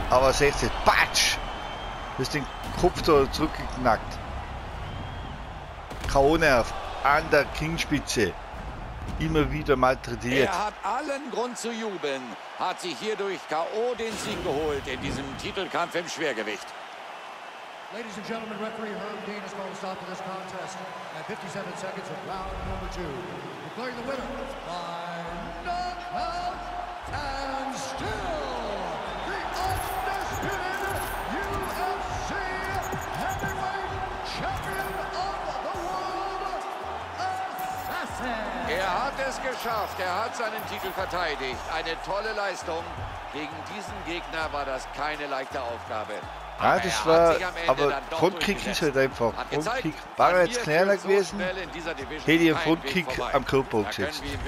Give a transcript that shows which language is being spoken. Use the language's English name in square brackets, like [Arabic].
[German] Aber seht ihr, Batsch! Du hast den Kopf da zurückgeknackt. K.O.-Nerv an der Kingspitze. Immer wieder malträtiert. Er hat allen Grund zu jubeln. Hat sich hierdurch K.O. den Sieg geholt in diesem Titelkampf im Schwergewicht. [English] Ladies and gentlemen, referee Herb Dean has called a stop to this contest at 57 seconds of round number 2. Declaring the winner by knockout and still the undisputed UFC heavyweight champion of the world, Assassin. [German] Er hat es geschafft, er hat seinen Titel verteidigt. Eine tolle Leistung. Gegen diesen Gegner war das keine leichte Aufgabe. Ja, das war, aber Frontkick ist halt einfach. Frontkick war jetzt kleiner gewesen, hätte ich einen Frontkick am Körper gesetzt.